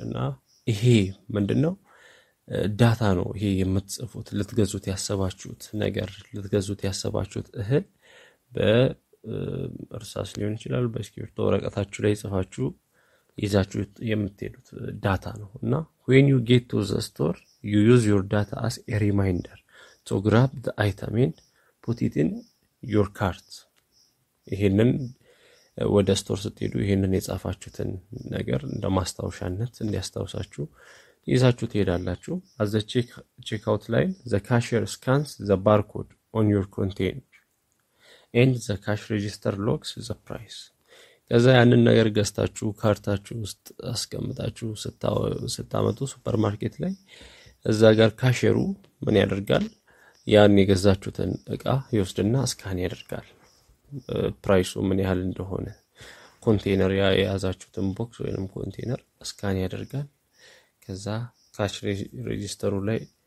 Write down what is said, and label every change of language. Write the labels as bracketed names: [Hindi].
[Amharic] እና ይሄ ምንድነው ዳታ ነው። ይሄ የምትጽፉት ልትገዙት ያሰባችሁት ነገር ልትገዙት ያሰባችሁት እህል በእርሳስ ሊሆን ይችላል በእስክሪብቶ ወረቀታችሁ ላይ ጽፋችሁ ይዛችሁ የምትሄዱት ዳታ ነው። እና [English] when you get to the store you use your data as a reminder to grab the item and put it in your cart. [Amharic] ይሄንን ወደ ስቶር ስትሄዱ ይሄንን የጻፋችሁትን ነገር እንደ ማስታወሻነት እንዲያስታውሳችሁ ይዛችሁ ትሄዳላችሁ። [English] as the check out line the cashier scans the barcode on your container and the cash register locks the price. [Amharic] ከዛ ያንን ነገር ገዝታችሁ ካርታችሁ ውስጥ አስቀምጣችሁ ስታመጡ ሱፐር ማርኬት ላይ እዛ ጋር ካሽየሩ ምን ያደርጋል? ያን የገዛችሁትን እቃ ይወስድና ስካን ያደርጋል ፕራይሱ ምን ያህል እንደሆነ። ኮንቴይነር የያዛችሁትን ቦክስ ወይንም ኮንቴይነር ስካን ያደርጋል። ከዛ ካሽ ሬጂስተሩ ላይ